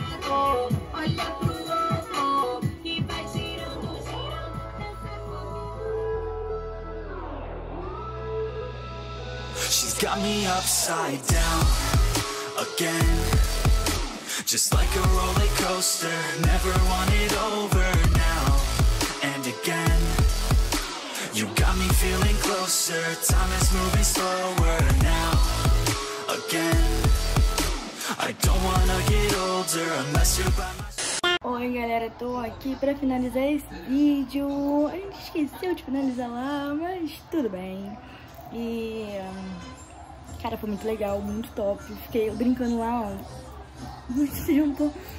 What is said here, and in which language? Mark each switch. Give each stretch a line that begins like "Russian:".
Portuguese: Olha que vai girando, girando.
English: got me upside down again. Just like a roller coaster, never want it over now and again. You got me feeling closer, time is moving slower now again. I don't wanna get older unless you're by my.
Portuguese: Oi galera, tô aqui pra finalizar esse vídeo. A gente esqueceu de finalizar lá, mas tudo bem. E cara, foi muito legal, muito top. Fiquei brincando lá muito tempo.